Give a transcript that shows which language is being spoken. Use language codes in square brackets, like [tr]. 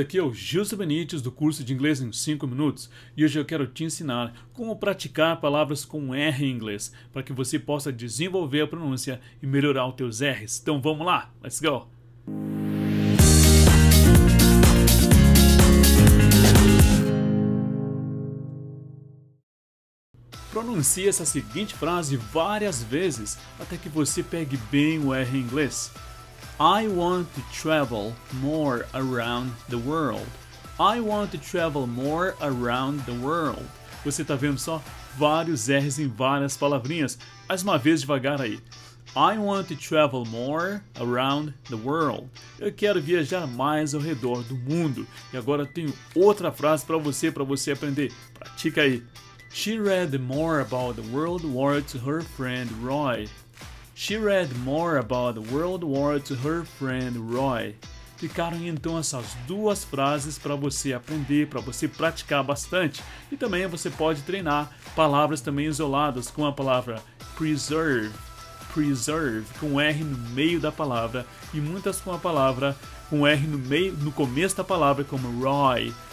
[pt] Aqui é o Gilson Benites do curso de inglês em 5 minutos e hoje eu quero te ensinar como praticar palavras com R em inglês para que você possa desenvolver a pronúncia e melhorar os teus R's. Então vamos lá! [en] Let's go! [pt] Pronuncie essa seguinte frase várias vezes até que você pegue bem o R em inglês. [en] I want to travel more around the world. I want to travel more around the world. [pt] Você está vendo só vários R's em várias palavrinhas. Mais uma vez devagar aí. [en] I want to travel more around the world. [pt] Eu quero viajar mais ao redor do mundo. E agora tenho outra frase para você aprender. Pratica aí. [en] She read more about the World War to her friend Roy. She read more about the World War to her friend Roy. [pt] Ficaram então essas duas frases para você aprender, para você praticar bastante. E também você pode treinar palavras também isoladas com a palavra preserve. Preserve, com R no meio da palavra. E muitas com a palavra, com R no meio, no começo da palavra, como Roy.